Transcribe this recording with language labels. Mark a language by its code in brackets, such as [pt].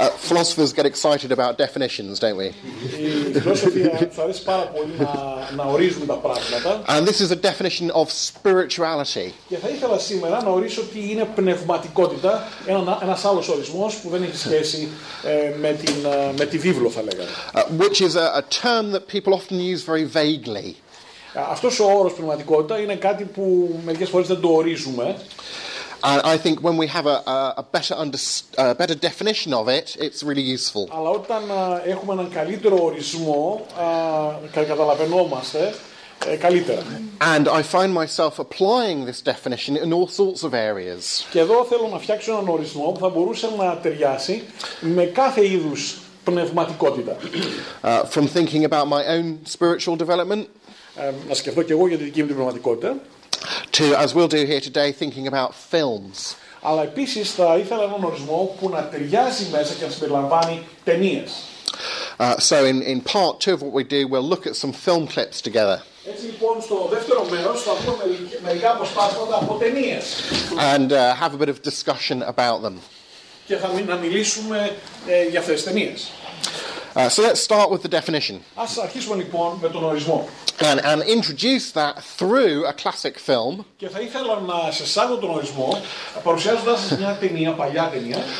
[en] Philosophers get excited about definitions, don't we? [el] Οι φιλόσοφοι αρέσει πάρα πολύ να ορίζουν τα πράγματα. [en] And this is a definition of spirituality. [el] Και θα ήθελα σήμερα να ορίσω τι είναι πνευματικότητα, ένας άλλος ορισμός που δεν έχει σχέση με τη βίβλο, θα λέγαμε. [en] Which is a term that people often use very vaguely. [el] Αυτός ο όρος πνευματικότητα είναι κάτι που μερικές φορές δεν το ορίζουμε. [en] And I think when we have a better definition of it, it's really useful. [el] Αλλά όταν έχουμε έναν καλύτερο ορισμό, καταλαβαίνουμε καλύτερα. [en] And I find myself applying this definition in all sorts of areas. [el] Και εδώ θέλω να φτιάξω έναν ορισμό που θα μπορούσε να ταιριάσει με κάθε είδους πνευματικότητα. [en] From thinking about my own spiritual development. [el] Να σκεφτώ και εγώ για τη δική μου την πνευματικότητα. [en] To, as we'll do here today, thinking about films. [el] Αλλά επίσης θα ήθελα έναν ορισμό που να ταιριάζει μέσα και να συμπεριλαμβάνει ταινίες. [en] So in part two of what we do, we'll look at some film clips together. [el] Έτσι λοιπόν στο δεύτερο μέρος θα δούμε μερικά αποσπάσματα από ταινίες. [en] And have a bit of discussion about them. [el] Και θα μιλήσουμε για αυτές τις ταινίες. [en] So let's start with the definition. [el] Ας αρχίσουμε λοιπόν με τον ορισμό. [en] And introduce that through a classic film. [el] Και θα ήθελα να σε εισάγω τον ορισμό, παρουσιάζοντας μια ταινία, παλιά ταινία.